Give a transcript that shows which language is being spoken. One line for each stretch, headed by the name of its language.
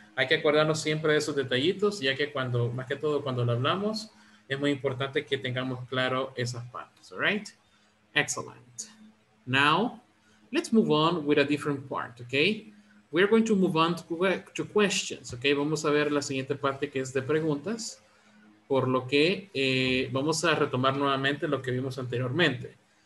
Spanish: Hay que acordarnos siempre de esos detallitos, ya que cuando, más que todo cuando lo hablamos, es muy importante que tengamos claro esas partes.
English: All right. Excellent. Now, let's move on with a different part, okay? We're going to move on to questions, okay?
Spanish: Vamos a ver la siguiente parte que es de preguntas, por lo que vamos a retomar nuevamente lo que vimos anteriormente.